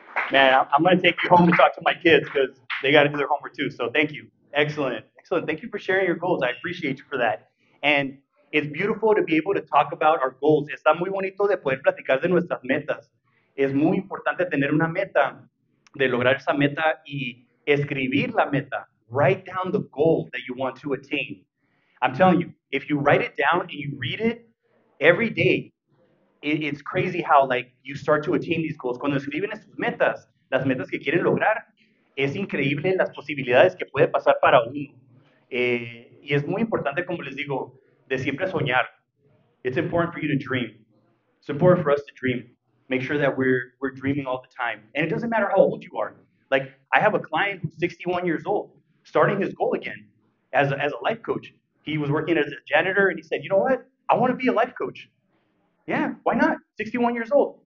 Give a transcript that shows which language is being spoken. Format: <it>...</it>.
<en>Man, I'm going to take you home to talk to my kids because they got to do their homework too. So thank you. Excellent. Excellent. Thank you for sharing your goals. I appreciate you for that. And it's beautiful to be able to talk about our goals.</en> <es>Está muy bonito de poder platicar de nuestras metas. Es muy importante tener una meta, de lograr esa meta y escribir la meta.</es> <en>Write down the goal that you want to attain. I'm telling you, if you write it down and you read it every day, it's crazy how like you start to attain these goals.</en> <es>Cuando escriben esas metas, las metas que quieren lograr, es increíble las posibilidades que puede pasar para uno. Y es muy importante, como les digo, de siempre soñar.</es> <en>It's important for you to dream. It's important for us to dream. Make sure that we're dreaming all the time. And it doesn't matter how old you are. Like, I have a client who's 61 years old, starting his goal again as a life coach. He was working as a janitor, and he said, you know what? I want to be a life coach. Yeah, why not? 61 years old.</en>